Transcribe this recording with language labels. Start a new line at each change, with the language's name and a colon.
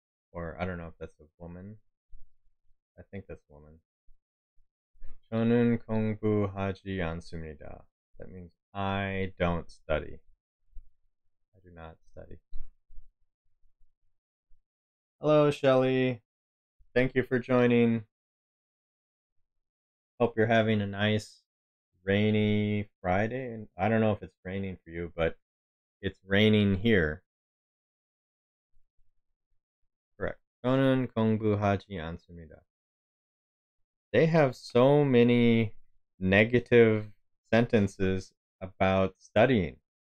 English: Or I don't know if that's a woman. I think that's a woman.
Korean: 저는 공부하지 않습니다.
English: That means I don't study. I do not study. Hello, Shelley. Thank you for joining. Hope you're having a nice rainy Friday. I don't know if it's raining for you, but it's raining here.
Korean: 저는 공부하지 않습니다.
English: They have so many negative sentences about studying.